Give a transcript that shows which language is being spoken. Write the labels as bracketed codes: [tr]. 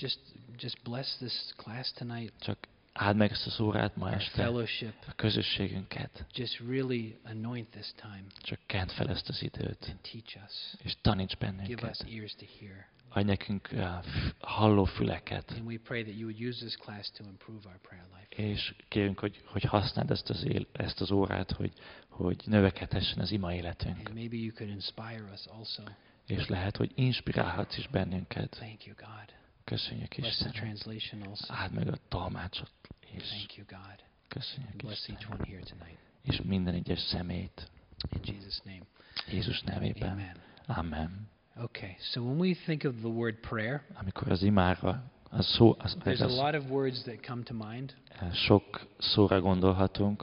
[en] Just bless this class tonight. [hu] Csak áld meg ezt az órát ma este. [en] Fellowship. [hu] A közösségünket. [en] Just really anoint this time. [hu] Csak kent fel ezt az időt. [en] And teach us. [hu] És taníts bennünket. [en] Give us ears to hear. [hu] Adj nekünk halló füleket. [en] And we pray that you would use this class to improve our prayer life. [hu] És kérünk, hogy használd ezt az órát, hogy növekedhessen az ima életünk. [en] And maybe you could inspire us also. [hu] És lehet, hogy inspirálhatsz is bennünket. [en] Thank you, God. [hu] Köszönjük, Istenem. [en] Bless the translation also. [hu] Áld meg a tolmácsot is. [en] Thank you, God. [hu] Köszönjük, Istenem. [en] Bless each one here tonight. [hu] És minden egyes szemét. [en] In Jesus' name. [hu] Jézus nevében. [en] Amen. [hu] Amen. [en] Okay, so when we think of the word prayer, [hu] amikor az imára, [en] there's a lot of words that come to mind. [hu] Sok szóra gondolhatunk.